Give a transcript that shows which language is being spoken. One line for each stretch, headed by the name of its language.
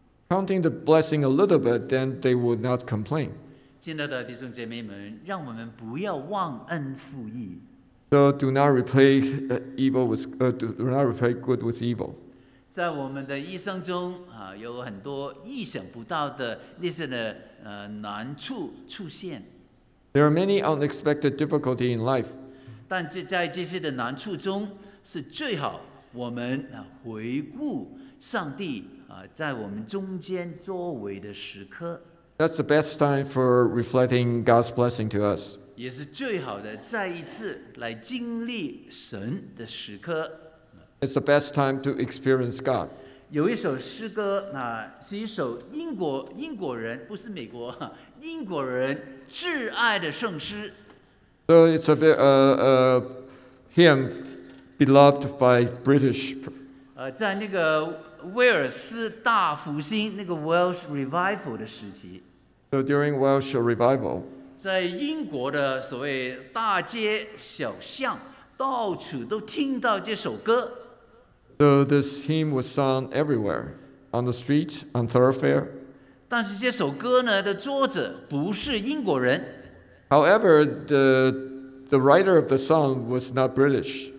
English: Counting the blessing a little bit, then they would not complain.
Chinese: 亲爱的弟兄姐妹们，让我们不要忘恩负义。
English: So do not repay evil with do not repay good with evil.
Chinese: 在我们的一生中有很多意想不到的那些的难处出现。
English: There are many unexpected difficulties in life.
Chinese: 但在这些的难处中，是最好我们回顾上帝在我们中间作为的时刻。
English: That's the best time for reflecting God's blessing to us.
Chinese: 也是最好的再一次来经历神的时刻。
English: It's the best time to experience God.
Chinese: 有一首诗歌是一首英国人，不是美国，英国人挚爱的圣诗。
English: So it's a hymn beloved by British.
Chinese: 在那个威尔斯大复兴，那个 Welsh Revival 的时期。
English: So during Welsh Revival.
Chinese: 在英国的所谓大街小巷，到处都听到这首歌。
English: So this hymn was sung everywhere, on the street, on thoroughfare.
Chinese: 但是这首歌呢的作者不是英国人。
English: However, the writer of the song was not British.